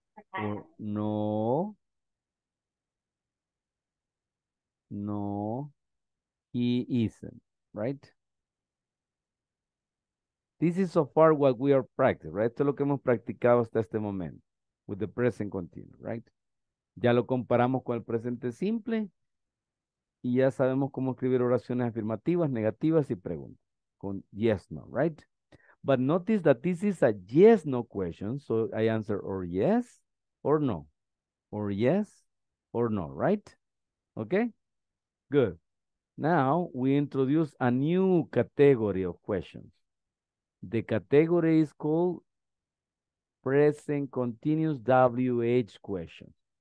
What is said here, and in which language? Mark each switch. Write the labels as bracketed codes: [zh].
[en] Or no, he isn't, right? This is so far what we are practicing, right? [es] Esto es lo que hemos practicado hasta este momento, [en] with the present continuous, right? [es] Ya lo comparamos con el presente simple y ya sabemos cómo escribir oraciones afirmativas, negativas y preguntas con yes, no, right? [en] But notice that this is a yes, no question. So I answer or yes, or no, or yes, or not, right? Okay, good. Now we introduce a new category of questions. The category is called present continuous WH questions.